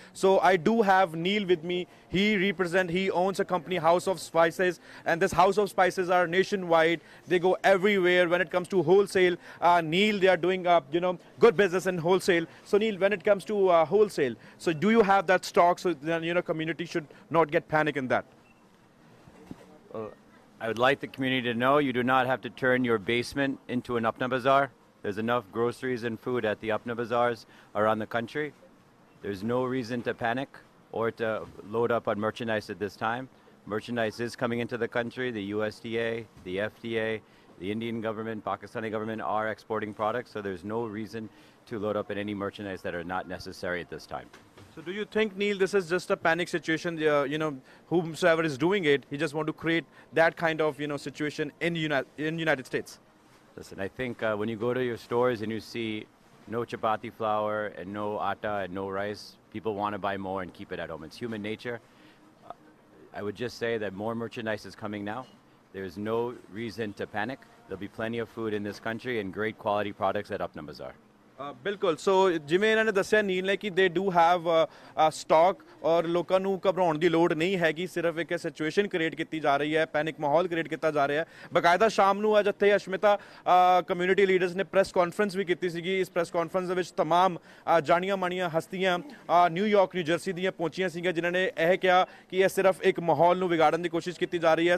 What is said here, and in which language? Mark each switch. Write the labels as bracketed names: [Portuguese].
[English] So I do have Neel with me, he represent, he owns a company House of Spices, and this House of Spices are nationwide, they go everywhere when it comes to wholesale. Neel, they are doing a you know good business in wholesale. So Neel, when it comes to wholesale, so do you have that stock, so then you know community should not get panic in that? I would like the community to know you do not have to turn your basement into an Apna Bazaar. There's enough groceries and food at the Apna Bazaars around the country. There's no reason to panic or to load up on merchandise at this time. Merchandise is coming into the country. The USDA, the FDA, the Indian government, Pakistani government are exporting products, so there's no reason to load up on any merchandise that are not necessary at this time. So do you think, Neil, this is just a panic situation, you know, whomsoever is doing it, he just want to create that kind of, you know, situation in United States? Listen, I think when you go to your stores and you see no chapati flour and no atta and no rice, people want to buy more and keep it at home. It's human nature. I would just say that more merchandise is coming now. There's no reason to panic. There'll be plenty of food in this country and great quality products at Apna Bazaar. [Punjabi] ਬਿਲਕੁਲ, ਸੋ ਜਿਵੇਂ ਇਹਨਾਂ ਨੇ ਦੱਸਿਆ ਨੀਲ ਨੇ ਕਿ [English] they do have stock [Punjabi] ਔਰ ਲੋਕਾਂ ਨੂੰ ਘਬਰਾਉਣ ਦੀ ਲੋੜ ਨਹੀਂ ਹੈਗੀ, ਸਿਰਫ ਇੱਕ ਸਿਚੁਏਸ਼ਨ ਕ੍ਰੀਏਟ ਕੀਤੀ ਜਾ ਰਹੀ ਹੈ, ਪੈਨਿਕ ਮਾਹੌਲ ਕ੍ਰੀਏਟ ਕੀਤਾ ਜਾ ਰਿਹਾ। ਬਕਾਇਦਾ ਸ਼ਾਮ ਨੂੰ ਅੱਜ ਇੱਥੇ ਅਸ਼ਮਿਤਾ ਕਮਿਊਨਿਟੀ ਲੀਡਰਸ ਨੇ ਪ੍ਰੈਸ ਕਾਨਫਰੰਸ ਵੀ ਕੀਤੀ ਸੀਗੀ। ਇਸ ਪ੍ਰੈਸ ਕਾਨਫਰੰਸ ਦੇ ਵਿੱਚ ਤਮਾਮ ਜਾਣੀਆਂ ਮਾਣੀਆਂ ਹਸਤੀਆਂ ਨਿਊਯਾਰਕ, ਨਿਊਜਰਸੀ ਦੀਆਂ ਪਹੁੰਚੀਆਂ ਸੀਗੀਆਂ, ਜਿਨ੍ਹਾਂ ਨੇ ਇਹ ਕਿਹਾ ਕਿ ਇਹ ਸਿਰਫ ਇੱਕ ਮਾਹੌਲ ਨੂੰ ਵਿਗਾੜਨ ਦੀ ਕੋਸ਼ਿਸ਼ ਕੀਤੀ ਜਾ ਰਹੀ ਹੈ।